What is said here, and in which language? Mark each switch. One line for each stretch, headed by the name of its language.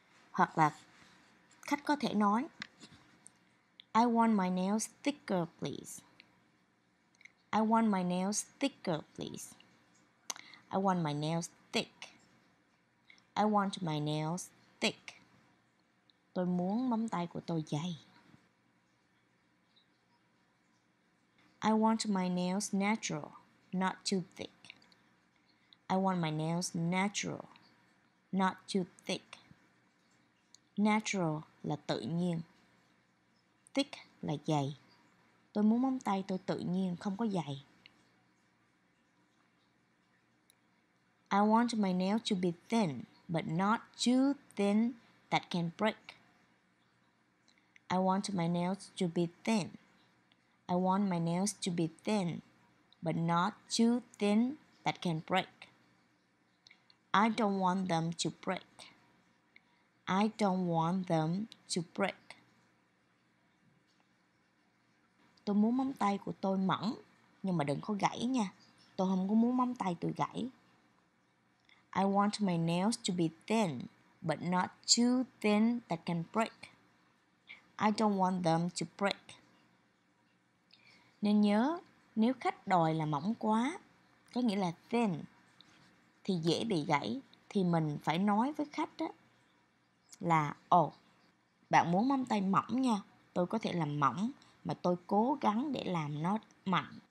Vietnamese: Hoặc là khách có thể nói,
English: I want my nails thicker, please. I want my nails thicker, please. I want my nails thick. I want my nails thick.
Vietnamese: Tôi muốn móng tay của tôi dày.
English: I want my nails natural, not too thick. I want my nails natural, not too thick.
Vietnamese: Natural là tự nhiên. Thick là dày. Tôi muốn móng tay tôi tự nhiên, không có dày.
English: I want my nail to be thin, but not too thin that can break. I want my nails to be thin. I want my nails to be thin, but not too thin that can break. I don't want them to break. I don't want them to break.
Vietnamese: Tôi muốn móng tay của tôi mỏng, nhưng mà đừng có gãy nha. Tôi không có muốn móng tay tôi gãy.
English: I want my nails to be thin, but not too thin that can break. I don't want them to break.
Vietnamese: Nên nhớ, nếu khách đòi là mỏng quá, có nghĩa là thin, thì dễ bị gãy, thì mình phải nói với khách đó là bạn muốn móng tay mỏng nha, tôi có thể làm mỏng, mà tôi cố gắng để làm nó mạnh.